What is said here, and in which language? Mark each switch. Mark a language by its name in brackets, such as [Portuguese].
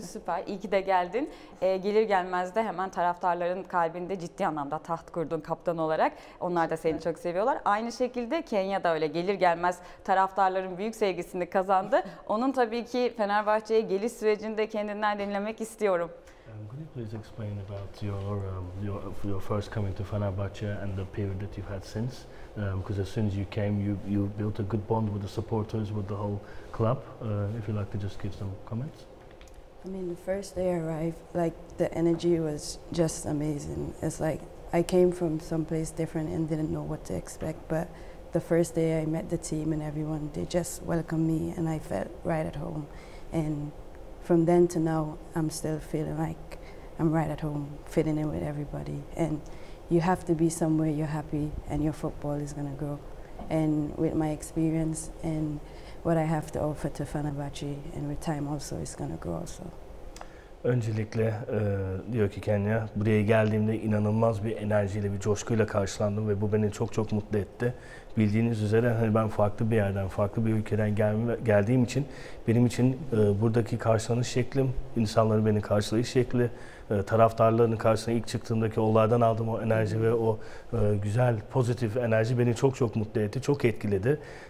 [Turkish] Süper, iyi ki de geldin. Gelir gelmez de hemen taraftarların kalbinde ciddi anlamda taht kurdun kaptan olarak. Onlar da seni çok seviyorlar. Aynı şekilde Kenya da öyle gelir gelmez taraftarların büyük sevgisini kazandı. Onun tabii ki Fenerbahçe'ye geliş sürecinde kendinden dinlemek istiyorum. [English] Could you please explain about your first coming to Fenerbahçe and the period that you've had since? Because as soon as you came, you built a good bond with the supporters, with the whole club. If you'd like to just give some comments. I mean, the first day I arrived, like, the energy was just amazing. It's like I came from someplace different and didn't know what to expect. But the first day I met the team and everyone, they just welcomed me and I felt right at home. And from then to now, I'm still feeling like I'm right at home, fitting in with everybody. And you have to be somewhere you're happy and your football is going to grow. And with my experience and what I have to offer to Fenerbahçe and with time also, it's going to grow also. [Turkish] Öncelikle diyor ki Kenya, buraya geldiğimde inanılmaz bir enerjiyle, bir coşkuyla karşılandım ve bu beni çok çok mutlu etti. Bildiğiniz üzere hani ben farklı bir yerden, farklı bir ülkeden geldiğim için benim için buradaki karşılanış şeklim, insanların beni karşılayış şekli, taraftarların karşısına ilk çıktığımdaki onlardan aldığım o enerji ve o güzel, pozitif enerji beni çok çok mutlu etti, çok etkiledi.